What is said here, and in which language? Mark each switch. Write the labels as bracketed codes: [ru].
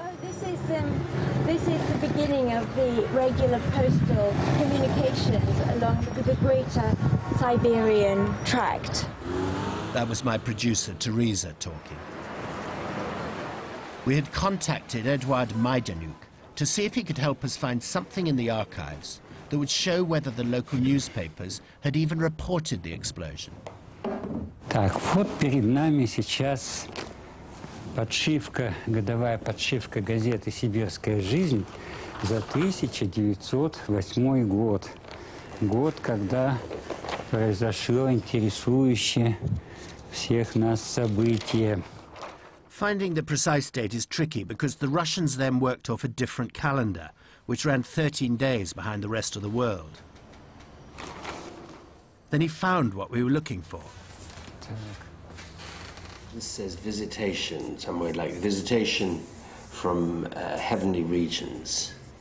[en] This is the beginning of the regular postal communications along the greater Siberian tract. That was my producer, Teresa, talking. We had contacted Eduard Majdanuk to see if he could help us find something in the archives that would show whether the local newspapers had even reported the explosion. [ru] Так, вот перед нами сейчас подшивка, годовая подшивка газеты «Сибирская жизнь» за 1908 год. Год, когда произошло интересующее всех нас событие. [en] Finding the precise date is tricky because the Russians then worked off a different calendar, which ran 13 days behind the rest of the world. Then he found what we were looking for. This says visitation, somewhere like visitation from heavenly regions.